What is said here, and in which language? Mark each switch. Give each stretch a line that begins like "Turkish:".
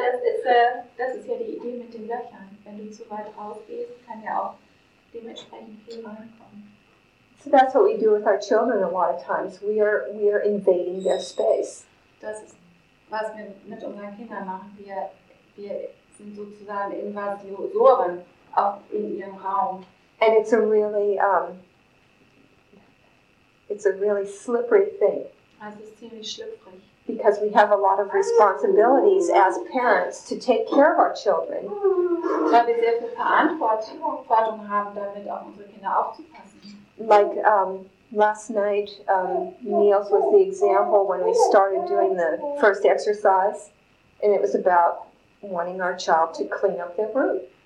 German: Weil das ist ja die Idee mit den Löchern. Wenn du zu weit rausgehst, kann ja auch dementsprechend viel reinkommen.
English: So that's what we do with our children a lot of times. We are invading their space.
German: Das ist, was wir mit unseren Kindern machen. Wir sind sozusagen Invasoren auch in ihrem Raum.
English: And it's a really slippery thing.
German: Also ist ziemlich schlüpfrig.
English: Because we have a lot of responsibilities as parents to take care of our children.
German: Weil wir sehr viel Verantwortung haben, damit auch unsere Kinder aufzupassen.
English: Like last night, Niels was the example when we started doing the first exercise, and it was about wanting our child to clean up their room.